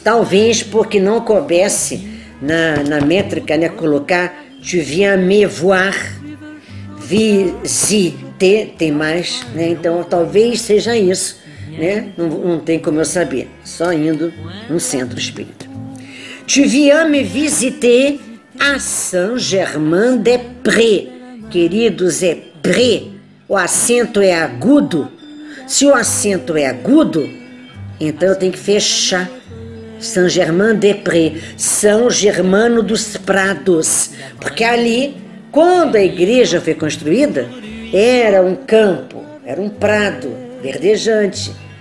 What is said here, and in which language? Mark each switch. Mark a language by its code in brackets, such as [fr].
[pt] Talvez porque não coubesse na métrica, né, colocar [fr] tu viens me voir, visiter, [pt] tem mais, né? Então talvez seja isso, né? Não tem como eu saber, só indo no centro espírita. [fr] Tu viens me visiter à Saint-Germain-des-Prés. [pt] Queridos, é pré, o acento é agudo. Se o acento é agudo, então eu tenho que fechar. Saint-Germain-des-Prés, São Germano dos Prados. Porque ali, quando a igreja foi construída, era um campo, era um prado verdejante.